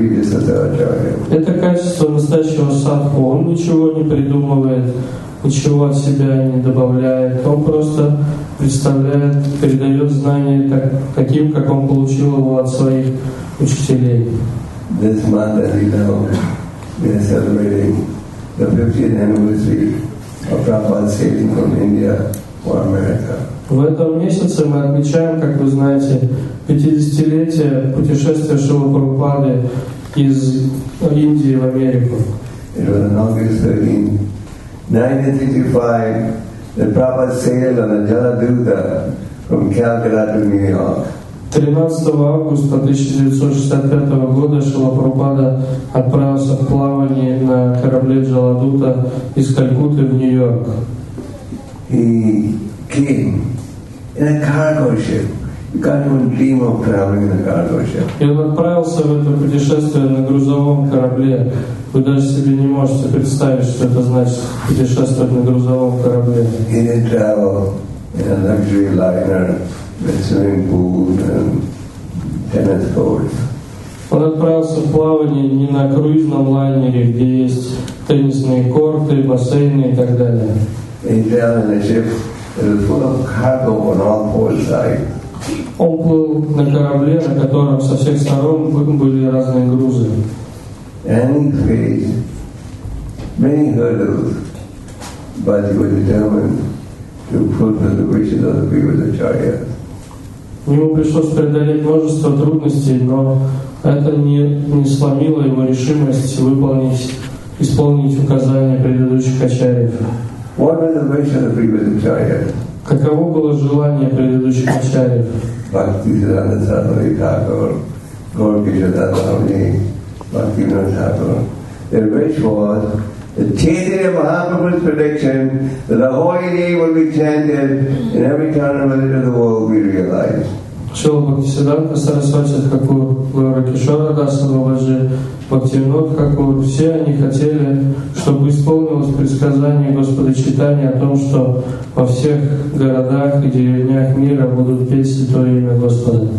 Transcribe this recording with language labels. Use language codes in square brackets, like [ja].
[ru] Это качество настоящего садху. Он ничего не придумывает, ничего от себя не добавляет. Он просто представляет, передает знания так, таким, как он получил его от своих учителей. [en] This month, as you know, we are celebrating the 50th anniversary of Prabhupada's sailing from India for America. [ru] В этом месяце мы отмечаем, как вы знаете, 50-летие путешествия Шрилы Прабхупады из Индии в Америку. [en] It was on August 13, 1965, that Prabhupada sailed on a Jaladuta from Calcutta to New York. [ru] 13 августа 1965 года Шрила Прабхупада отправился в плавание на корабле Джаладута из Калькутты в Нью-Йорк. [en] He came in a cargo ship. You can't even dream of traveling in a cargo ship. [ru] И он отправился в это путешествие на грузовом корабле. Вы даже себе не можете представить, что это значит путешествовать на грузовом корабле. [en] He didn't travel in a luxury liner with swimming pools and tennis courts. [ru] Он отправился в плавание не на круизном лайнере, где есть теннисные корты, бассейны и так далее. [en] He traveled in a ship. It was full of cargo on all four sides. [ru] Он плыл на корабле, на котором со всех сторон были разные грузы. [en] And he faced many hurdles, but he was determined to fulfill the wishes of the Vedacharya. [ru] Ему пришлось преодолеть множество трудностей, но это не сломило его решимость исполнить указания предыдущих ачарьев. [en] What was the wish of the previous acharya? [ru] Каково было желание предыдущих ачарьев? [en] Bhakti Siddhanta Saraswati Thakur, Gaur Kishore Swami, Bhakti Vinod Thakur. Their wish was the Chaitanya Mahaprabhu's prediction that the holy name will be chanted in every town and village of the world be realized. [ru] Шрила Бхакти Сиддханта Сарасвати Такур, Гаура Кишора Даса Бабаджи, Бхакти Винод Такур, все они хотели, чтобы исполнилось предсказание Господа Чайтаньи о том, что во всех городах и деревнях мира будут петь Святое Имя Господа.